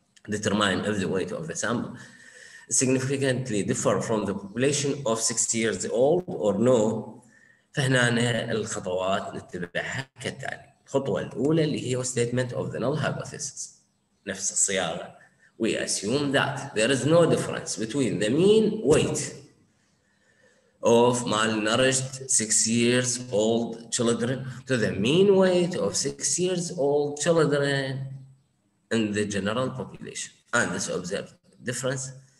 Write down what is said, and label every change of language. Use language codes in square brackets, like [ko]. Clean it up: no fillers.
[en] Determine if the weight of the sample significantly differ from the population of 6 years old or no. [ar] فهنا الخطوات نتبعها كالتالي. الخطوة الأولى اللي هي [en] statement of the null hypothesis. [ar] نفس الصياغة. [en] We assume that there is no difference between the mean weight of malnourished 6 years old children to the mean weight of 6 years old children in the general population. And this observed difference